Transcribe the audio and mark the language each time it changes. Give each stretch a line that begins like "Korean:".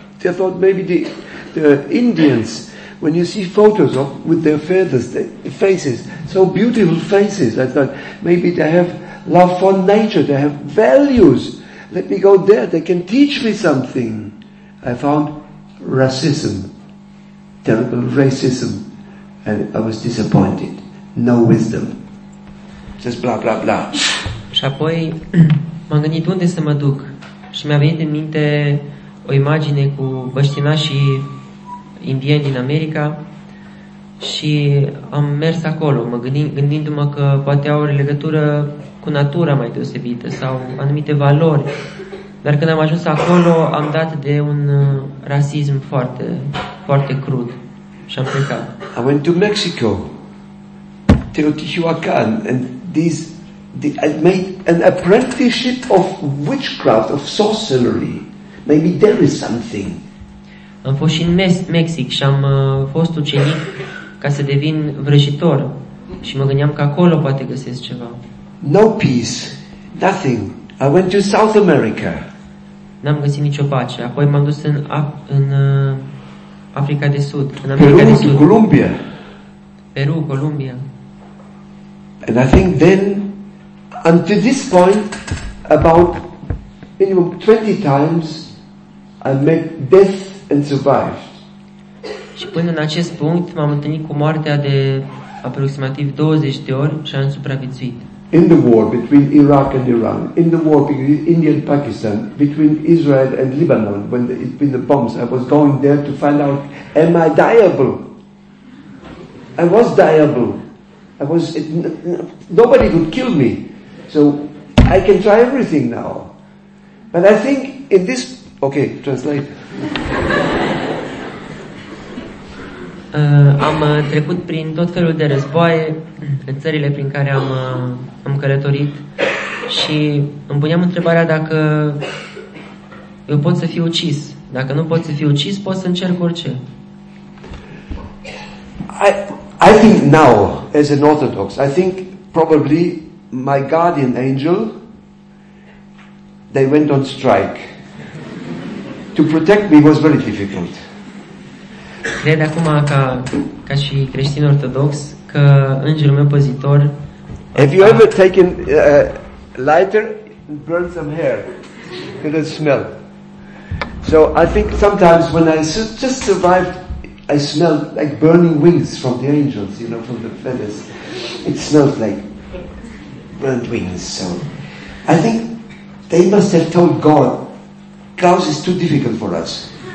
English: They thought maybe the Indians, when you see photos of with their feathers, their faces, so beautiful faces, I thought maybe they have love for nature, they have values. Let me go there, they can teach me something. I found racism, terrible racism, and I was disappointed. No wisdom. Just blah, blah, blah.
Romanian: Și apoi m-am gândit unde să mă duc. Și mi-a venit în minte o imagine cu băștinașii indieni din America și am mers acolo, gândindu-mă că poate au o legătură cu natura mai deosebită sau anumite valori. Dar când am ajuns acolo, am dat de un rasism foarte, foarte crud și am plecat.
English: I went to Mexico, Teotihuacan, and these I made an apprenticeship of witchcraft, of sorcery. Maybe there is something.
Romanian: Am fost și în Mexic și am fost ucenic ca să devin vrăjitor și mă gândeam că acolo poate găsesc ceva.
English: No peace, nothing. I went to South America.
Romanian: N-am găsit nicio pace. Apoi m-am dus în Africa de Sud, în America de Sud. Colombia. Peru, Colombia.
English: And I think then until this point, about minimum 20 times, I met death and survived.
Romanian: Și până în acest punct, m-am întâlnit cu moartea de aproximativ 20 de ori și am supraviețuit.
English: In the war between Iraq and Iran, in the war between India and Pakistan, between Israel and Lebanon, when it's been the bombs, I was going there to find out, am I dieable? I was dieable. I was. Nobody could kill me. So I can try everything now. But I think in this okay, translate.
Romanian: Am trecut prin tot felul de războaie în țările prin care am călătorit și îmi puneam întrebarea dacă eu pot să fiu ucis. Dacă nu pot să fiu ucis, pot să încerc orice.
English: I think now as an Orthodox, I think probably my guardian angel, they went on strike. To protect me was very difficult.
Romanian: Cred acum ca și creștin ortodox că îngerul meu păzitor.
English: Have you ever taken a lighter and burned some hair? Did it smell? So I think sometimes when I just survived, I smelled like burning wings from the angels, you know, from the feathers. It smelled like burnt wings. So I think they must have told God, Klaus is too difficult for us.